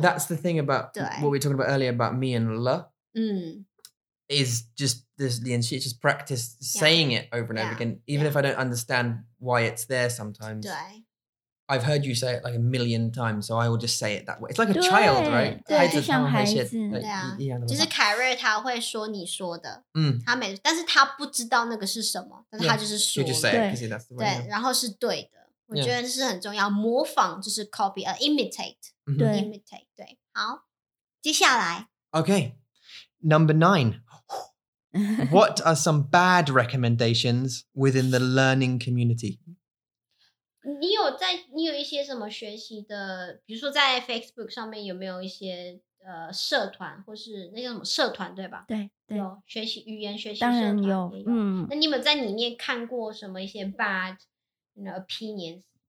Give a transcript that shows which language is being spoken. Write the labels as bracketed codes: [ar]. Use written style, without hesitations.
[en] That's the thing about what we talked about earlier about me and le. Is just this, it's just practice saying it over and over again, even if I don't understand why it's there sometimes. I've heard you say it like a million times, so I will just say it that way. It's like a child, right? [zh] 对，就像孩子。就是凯瑞他会说你说的，他每次，但是他不知道那个是什么，但是他就是说。 [en] You just say it, because that's the way. [zh] 对，然后是对的，我觉得是很重要。模仿就是 copy, imitate, 对 imitate, 对。好，接下来。 [en] Okay, number nine. What are some bad recommendations within the learning community? [zh] 你有在你有一些什么学习的，比如说在 Facebook 上面有没有一些社团或是那叫什么社团，对吧？对对，有学习语言学习社团，当然有。嗯，那你有没有在里面看过什么一些 [en] bad you know, opinions？